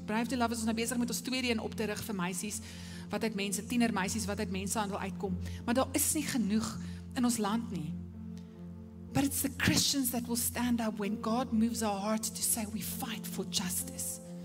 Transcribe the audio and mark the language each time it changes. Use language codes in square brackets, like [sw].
[af] Brave to Love is ons nou besig met ons tweede een op te rig vir meisies, wat uit mense, tienermeisies, wat uit mensehandel uitkom. Maar daar is nie genoeg in ons land nie. [en] But it's the Christians that will stand up when God moves our hearts to say we fight for justice.